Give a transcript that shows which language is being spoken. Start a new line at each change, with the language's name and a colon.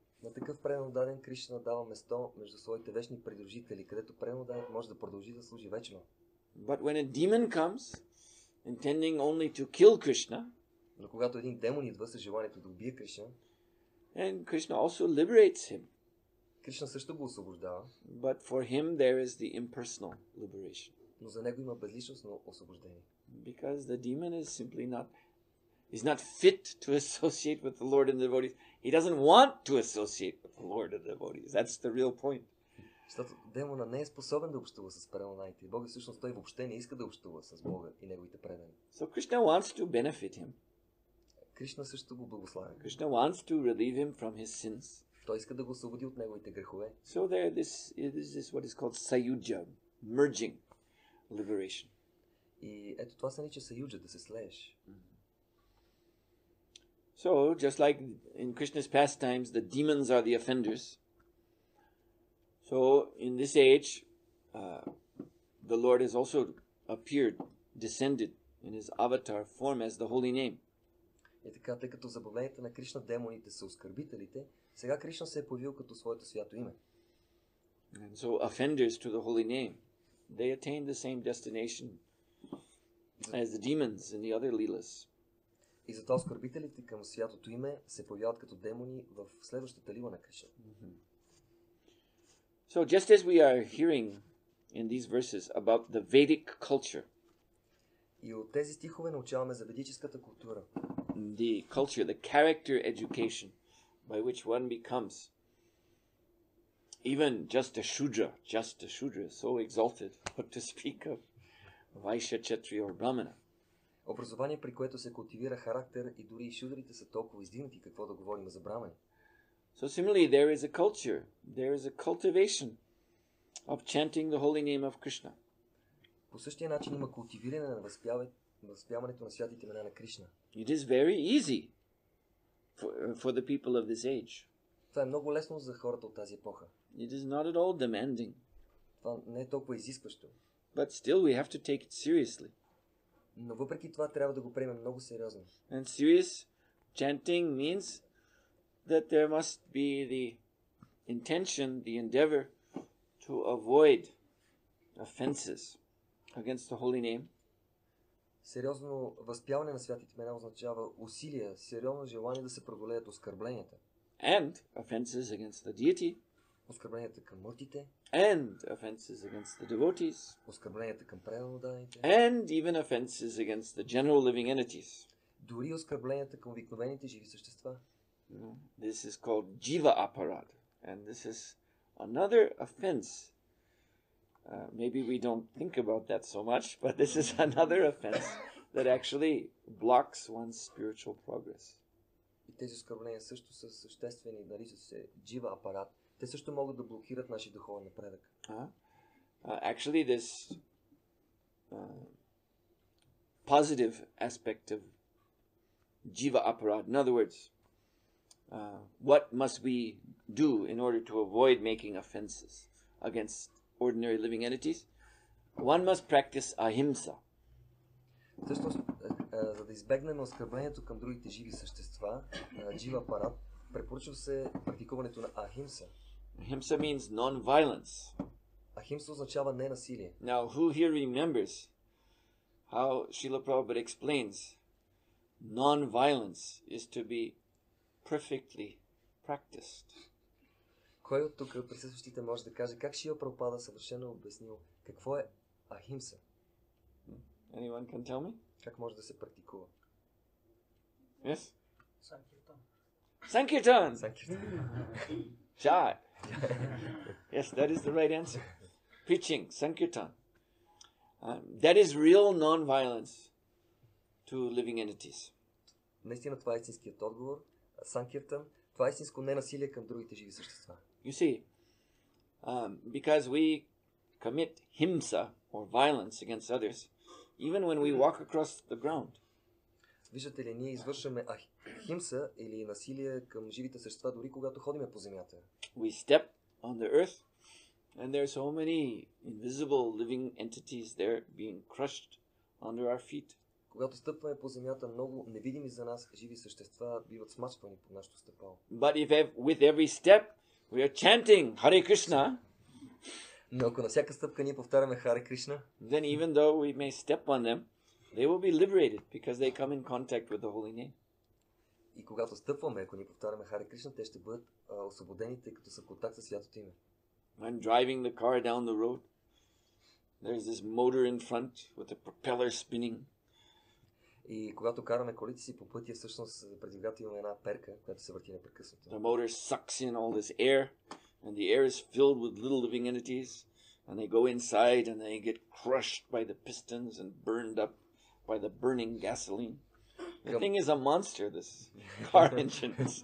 Bulgarian: На такъв преднодаден Кришна дава место между своите вечни придружители, където преднодаден може да продължи да служи вечно.
English: But when a demon comes, intending only to kill Krishna,
Bulgarian: но когато един демон идва с желанието да убие Кришна,
English: and Krishna also liberates him.
Bulgarian: Кришна също го освобождава.
English: But for him there is the impersonal liberation.
Bulgarian: Но за него има безличностно освобождение.
English: Because the demon is simply not, is not fit to associate with the Lord and the devotees. He doesn't want to associate with the Lord and the devotees. That's the real point.
Bulgarian: Защото демона не е способен да общува с преданите. Бог всъщност той въобще не иска да общува с Бога и неговите предани.
English: So Krishna wants to benefit him.
Bulgarian: Кришна също го благославя.
English: Krishna wants to relieve him from his sins.
Bulgarian: Той иска да го освободи от неговите грехове.
English: So there this is what is called sayujya, merging, liberation.
Bulgarian: И ето това се нарича sayujya, да се слееш.
English: So, just like in Krishna's pastimes, the demons are the offenders. So, in this age, the Lord has also appeared, descended in his avatar form as the holy name.
Bulgarian: И така, тъй като забавленията на Кришна демоните са оскърбителите, сега Кришна се е появил като своето свято име.
English: And so, offenders to the holy name. they attain the same destination as the demons in the other lilas.
Bulgarian: И затова оскърбителите към святото име се появяват като демони в следващата лила на Кришна.
English: So just as we are hearing in these verses about the Vedic culture.
Bulgarian: И от тези стихове научаваме за ведическата култура.
English: The culture, the character education by which one becomes even just a shudra, so exalted, what to speak of Vaishya, Kshatriya or Brahmana.
Bulgarian: Образование, при което се култивира характер и дори и шудрите са толкова издигнати, какво да говорим за брамани.
English: So similarly, there is a culture, there is a cultivation of chanting the holy name of Krishna.
Bulgarian: По същия начин има култивиране на възпяването на святите имена на Кришна.
English: It is very easy for the people of this age.
Bulgarian: Това е много лесно за хората от тази епоха.
English: It is not at all demanding.
Bulgarian: Това не е толкова изискващо.
English: But still we have to take it seriously.
Bulgarian: Но въпреки това трябва да го приемем много сериозно.
English: And serious chanting means that there must be the intention, the endeavor to avoid offenses against the holy name.
Bulgarian: Сериозно възпяване на святите имена означава усилия, сериозно желание да се преодолеят оскърбленията.
English: And offenses against the deity.
Bulgarian: Оскърбленията към муртите.
English: And offenses against the devotees.
Bulgarian: Оскърбленията към преданодарите.
English: And even offenses against the general living entities.
Bulgarian: Дори оскърбленията към обикновените живи същества.
English: This is called jiva aparad. And this is another offense. Maybe we don't think about that so much, but this is another offense that actually blocks one's spiritual progress.
Bulgarian: И тези оскърбления също са съществени, наричат се jiva aparad. Те също могат да блокират нашия духовен напредък.
English: Actually, this positive aspect of jiva aparad, in other words, what must we do in order to avoid making offenses against ordinary living entities? One must practice ahimsa.
Bulgarian: Всъщност, за да избегнем оскърблението към другите живи същества, jiva aparad, препоръчва се практикуването на ahimsa.
English: Ahimsa means non-violence.
Bulgarian: Ahimsa означава ненасилие.
English: Now, who here remembers how Srila Prabhupada explains non-violence is to be perfectly practiced?
Bulgarian: Кой от тук от присъстващите може да каже как Шрила Прабхупада съвършено обяснил какво е ахимса?
English: Anyone can tell me?
Bulgarian: Как може да се практикува?
English: Yes? Sankirtan. Sankirtan. Chai. Yes, that is the right answer. Preaching, Sankirtan. That is real non-violence to living entities.
Bulgarian: Наистина това е истинският отговор. Sankirtan, това е истинско ненасилие към другите живи същества.
English: You see, because we commit himsa or violence against others, even when we walk across the ground.
Bulgarian: Виждате ли, ние извършваме химса или насилие към живите същества, дори когато ходим по земята.
English: We step on the earth and there are so many invisible living entities there being crushed under our feet.
Bulgarian: Когато стъпваме по земята, много невидими за нас живи същества биват смачквани под нашето стъпало.
English: But if with every step we are chanting Hare Krishna.
Bulgarian: Но ако на всяка стъпка ние повтаряме Hare Krishna,
English: then even though we may step on them, they will be liberated because they come in contact with the holy name.
Bulgarian: И когато стъпваме, ако ни повтаряме Hare Krishna, те ще бъдат освободени, тъй като са в контакт с святото име.
English: When driving the car down the road, there is this motor in front with a propeller spinning.
Bulgarian: И когато караме колите си по пътя, всъщност предизвикателна една перка, която се върти непрекъснато.
English: The motor sucks in all this air and the air is filled with little living entities and they go inside and they get crushed by the pistons and burned up by the burning gasoline. The thing is a monster, this car engine.